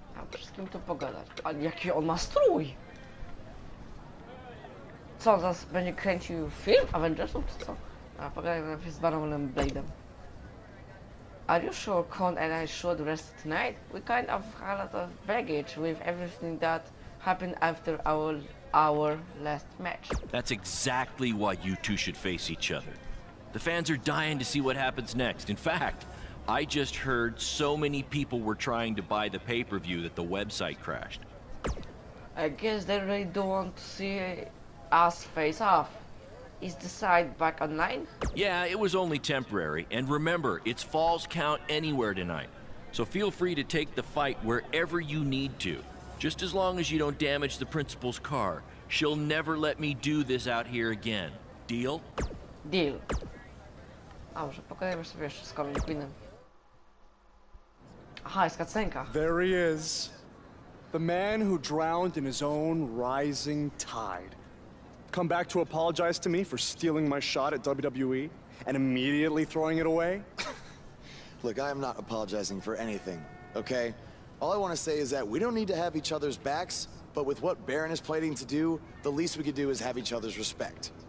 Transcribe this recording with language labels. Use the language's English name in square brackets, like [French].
[Polish] Wszystkim to pogadać. Ale jaki on ma strój? Co, zaraz będzie kręcił film Avengersów, czy co? A pogadajmy najpierw z Baronem Blade'em. [English] Are you sure Con and I should rest tonight? We kind of had a lot of baggage with everything that happened after our last match. That's exactly why you two should face each other. The fans are dying to see what happens next. In fact, I just heard so many people were trying to buy the pay-per-view that the website crashed. I guess they really don't want to see us face off. Is the site back online? Yeah, it was only temporary. And remember, it's Falls Count Anywhere tonight. So feel free to take the fight wherever you need to. Just as long as you don't damage the principal's car. She'll never let me do this out here again. Deal? Deal. [Polish] Dobrze, pokażemy sobie jeszcze z kolei innym. Aha, jest kacenka. [English] There he is. The man who drowned in his own rising tide. Come back to apologize to me for stealing my shot at WWE and immediately throwing it away? Look, I am not apologizing for anything, okay? All I want to say is that we don't need to have each other's backs, but with what Baron is planning to do, the least we could do is have each other's respect.